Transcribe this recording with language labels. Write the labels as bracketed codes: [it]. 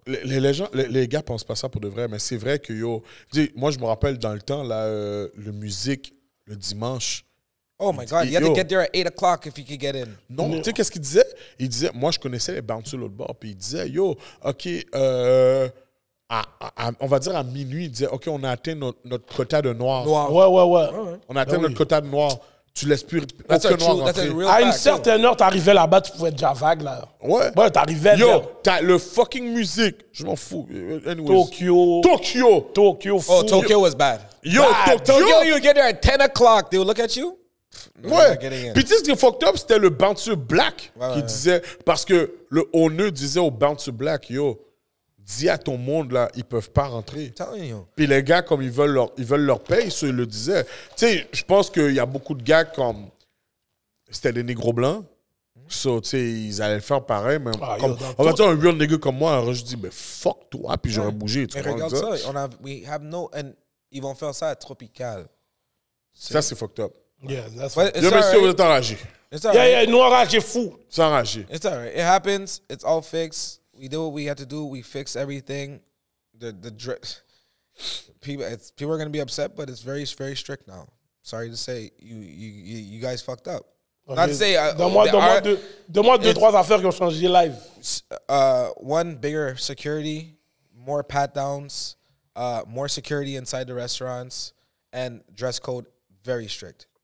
[fr] Les gars pensent pas ça pour de vrai, mais c'est vrai que yo. Dis, moi, je me rappelle dans le temps, là, le musique, le dimanche. [en] Oh my God, you had to get there at 8 o'clock if you could get in. [fr] Non, tu sais, qu'est-ce qu'il disait? Il disait, moi, je connaissais les bouncers l'autre bord, puis il disait, yo, OK, on va dire à minuit, il disait, OK, on a atteint notre quota de noir. Ouais. On a atteint notre quota de noir. Tu laisses plus aucun noir rentrer. À une certaine heure, t'arrivais là-bas, tu pouvais être déjà vague, là. Ouais, t'arrivais là. Yo, t'as le fucking music. Je m'en fous. Anyways. [en] Tokyo. Oh, Tokyo was bad. Yo, Tokyo. You get there at 10 o'clock, they would look at you. [fr] Ouais. Puis tu sais ce qui est fucked up, c'était le bouncer black qui disait, parce que le owner disait au bouncer black, yo, dis à ton monde là, ils peuvent pas rentrer. Puis les gars, comme ils veulent leur paye, ça, ils le disaient. Tu sais, je pense qu'il y a beaucoup de gars comme, c'était des négros blancs, so, tu sais, ils allaient faire pareil, mais on va dire un real négro comme moi, alors je dis, mais fuck toi, puis j'aurais bougé. Tu mais regarde ça, and ils vont faire ça à Tropikal. Ça, c'est fucked up. [en] Yeah, that's [fr] fine. Yo, monsieur, vous êtes enragé. Yeah, nous enragé fou. C'est enragé. [en] It's all right. It happens. It's all fixed. We do what we had to do. We fix everything. People are going to be upset, but it's very, very strict now. Sorry to say, you guys fucked up. Okay. Not to say... [fr] Donne-moi deux, trois affaires qui ont changé live. [en] One, bigger security, more pat-downs, more security inside the restaurants, and dress code, very strict.